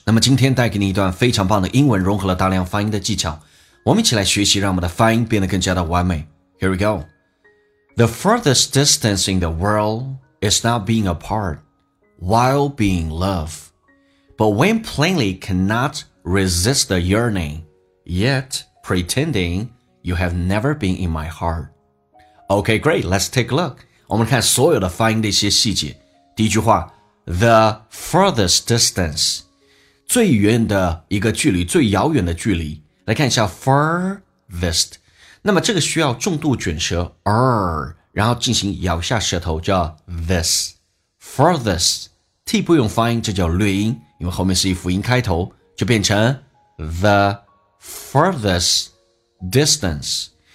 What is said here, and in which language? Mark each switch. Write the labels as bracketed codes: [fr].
[zh] 那么今天带给你一段非常棒的英文，融合了大量发音的技巧，我们一起来学习，让我们的发音变得更加的完美。 [en] Here we go. The furthest distance in the world is not being apart while being love, but when plainly cannot resist the yearning, yet pretending you have never been in my heart. Okay, great, let's take a look. [zh] 我们看所有的发音的一些细节。第一句话 [en] The furthest distance [zh] 最远的一个距离，最遥远的距离。来看一下 furthest， 那么这个需要重度卷舌 R， 然后进行咬下舌头，叫 this furthest， T 不用发音，这叫略音，因为后面是以辅音开头，就变成 [en] the furthest distance。